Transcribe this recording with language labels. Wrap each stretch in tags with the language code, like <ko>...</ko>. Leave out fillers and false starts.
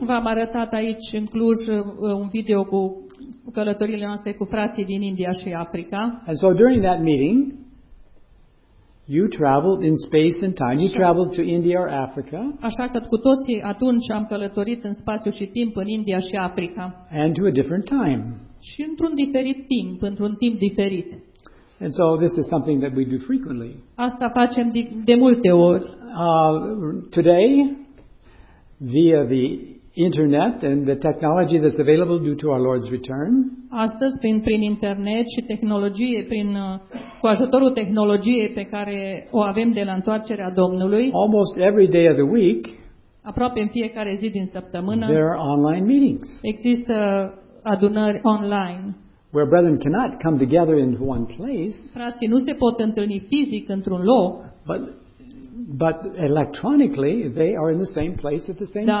<ro>V-am arătat aici în Cluj un video cu călătoriile noastre cu frații din India și Africa.</ro> <en>And so during that meeting, you traveled in space and time. You traveled to India or Africa.</en> <ro>Așa că cu toții atunci am călătorit în spațiu și timp în India și Africa.</ro> <en>And to a different time.</en> <ro>Și într-un diferit timp, într-un timp diferit.</ro> <en>And so this is something that we do frequently.</en> <ro>Asta facem de multe ori.</ro> <en>Today, via the internet and the technology that's available due to our Lord's return.</en> <ro>Astăzi prin internet și tehnologie cu ajutorul tehnologiei pe care o avem de la întoarcerea Domnului.</ro> <en>Almost every day of the week.</en> <ro>Aproape în fiecare zi din săptămână.</ro> <en>There are online meetings.</en> <ro>Există adunări online.</ro> <en>Where brethren cannot come together in one place.</en> <ro>Frații nu se pot întâlni fizic într-un loc.</ro> <en>But electronically they are in the same place at the same time.</en>